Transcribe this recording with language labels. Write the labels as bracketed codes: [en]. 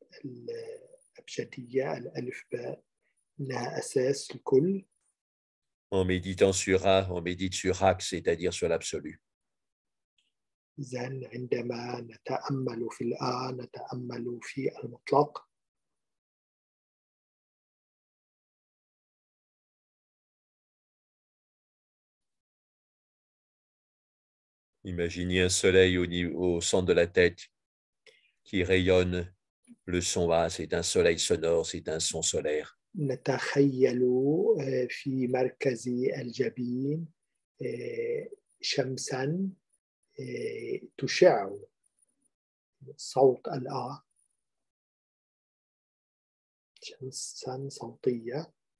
[ar] الأبجدية الألفباء لا أساس الكل. [fr] En méditant sur A, on médite sur Hak, c'est-à-dire sur l'absolu. [ar] زين عندما نتأمل في الآ نتأمل في المطلق. [fr] Imaginez un soleil au centre de la tête qui rayonne le son A, c'est un soleil sonore, c'est un son solaire. [ar] نتخيل في مركز الجبين شمسا تشع صوت الآ شمسا صوتية.